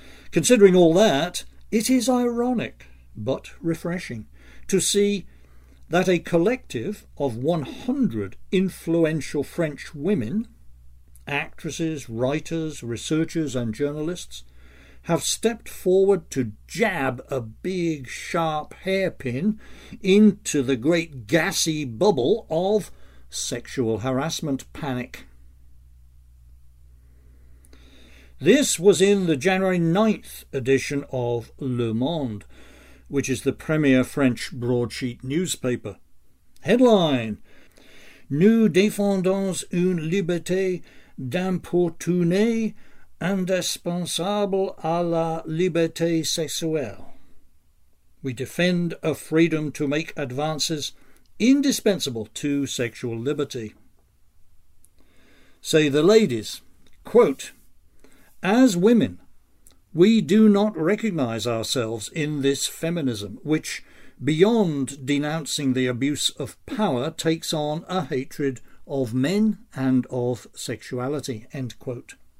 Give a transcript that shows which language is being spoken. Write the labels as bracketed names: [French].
[English] considering all that, it is ironic but refreshing to see that a collective of 100 influential French women, actresses, writers, researchers, and journalists have stepped forward to jab a big sharp hairpin into the great gassy bubble of sexual harassment panic. This was in the January 9th edition of Le Monde, which is the premier French broadsheet newspaper. [French] Headline: Nous défendons une liberté d'importuné indispensable à la liberté sexuelle. [English] We defend a freedom to make advances indispensable to sexual liberty. Say the ladies, quote, as women, we do not recognize ourselves in this feminism, which, beyond denouncing the abuse of power, takes on a hatred of men and of sexuality, end quote.